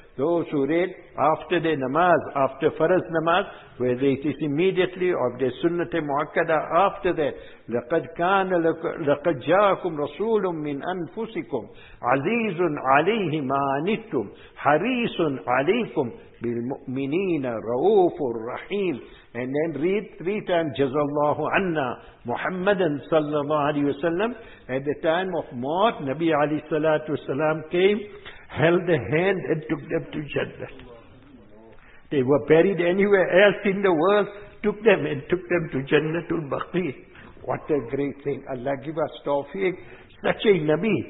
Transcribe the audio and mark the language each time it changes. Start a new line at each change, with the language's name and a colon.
English: Those who read after their namaz, after faraz namaz, whether it is immediately or their sunnah muakkada after that,
Arabic: لَقَدْ كَانَ لَقَدْ جَاءَكُمْ رَسُولٌ مِّنْ أَنفُسِكُمْ عَزِيزٌ عَلَيْهِ مَا عَنِتُّمْ حَرِيصٌ عَلَيْكُمْ بِالْمُؤْمِنِينَ رَؤُوفٌ رَحِيمٌ.
English: And then read three times,
Arabic: جَزَاللَّهُ عَنَّا مُحَمَّدًا صَلَّى اللَّهُ عَلَيْهِ وَسَلَّمْ.
English: At the time of mort, Nabi alayhi salatu wasalam came, held the hand and took them to Jannah. They were buried anywhere else in the world, took them and took them to Jannatul Baqi. What a great thing. Allah give us tawfiq. Such a Nabi.